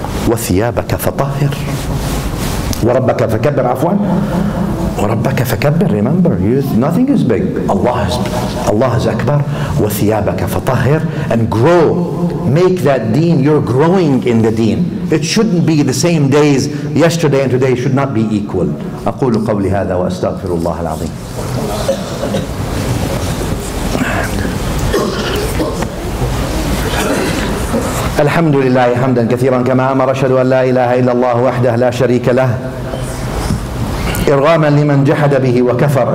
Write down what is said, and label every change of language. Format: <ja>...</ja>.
<ar>وثيابك فطهر وربك فكبر عفوا وربك فكبر.</ar> <en>Remember, nothing is big. Allah is akbar.</en> <ar>وثيابك فطهر.</ar> <en>And grow, make that deen, you're growing in the deen. It shouldn't be the same days yesterday and today should not be equal.</en> <ar>أقول قولي هذا وأستغفر الله العظيم. الحمد لله حمدا كثيرا كما أمر. أشهد أن لا إله إلا الله وحده لا شريك له إرغاما لمن جحد به وكفر.</ar>